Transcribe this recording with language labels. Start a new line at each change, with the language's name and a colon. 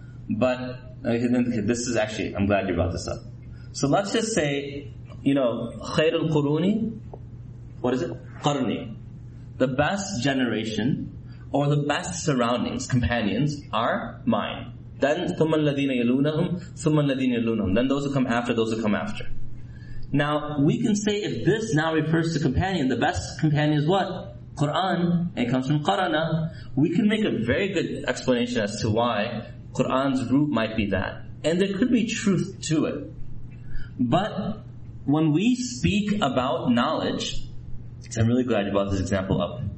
English: But this is actually, I'm glad you brought this up. So let's just say, you know,
Arabic: خير القروني,
English: what is it?
Arabic: قرني.
English: The best generation, or the best surroundings, companions, are mine. Then
Arabic: ثم الذين يلونهم, ثم الذين يلونهم.
English: Then those who come after, those who come after. Now, we can say if this now refers to companion, the best companion is what? Quran, and it comes from قرانا. We can make a very good explanation as to why Quran's root might be that. And there could be truth to it. But when we speak about knowledge, I'm really glad you brought this example up.